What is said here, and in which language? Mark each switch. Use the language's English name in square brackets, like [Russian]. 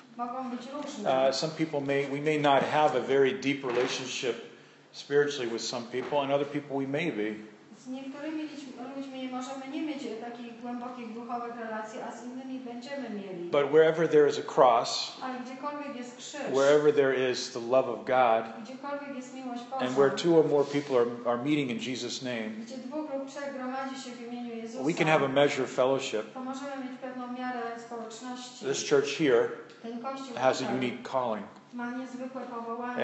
[English] We may not have a very deep relationship spiritually with some people, and other people we may be. [Polish] Z niektórymi ludźmi możemy nie mieć takich głębokich duchowych relacji, a z innymi będziemy mieli. [English] But wherever there is a cross, [Polish] ale gdziekolwiek jest krzyż, [English] wherever there is the love of God, [Polish] gdziekolwiek jest miłość Boża, [English] and where two or more people are meeting in Jesus' name, [Polish] gdzie dwóch lub trzech gromadzi się w imieniu Jezusa, [English] we can have a measure of fellowship. [Polish] To możemy mieć pewną miarę społeczności. [English] This church here, [Polish] ten kościół [English] has a unique calling. [Polish] Ma niezwykłe powołanie.